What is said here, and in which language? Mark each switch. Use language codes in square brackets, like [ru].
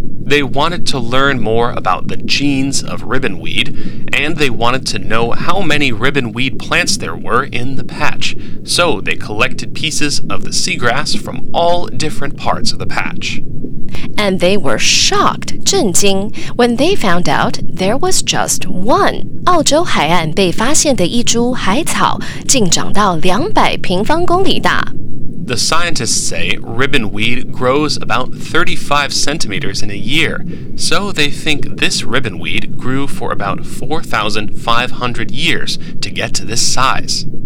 [en] They wanted to learn more about the genes of ribbonweed, and they wanted to know how many ribbonweed plants there were in the patch. So they collected pieces of the seagrass from all different parts of the patch. And they were shocked, 震惊, when they found out there was just one. [zh] 澳洲海岸被发现的一株海草竟长到两百平方公里大。 [en] The scientists say ribbonweed grows about 35 centimeters in a year, so they think this ribbonweed grew for about 4,500 years to get to this size.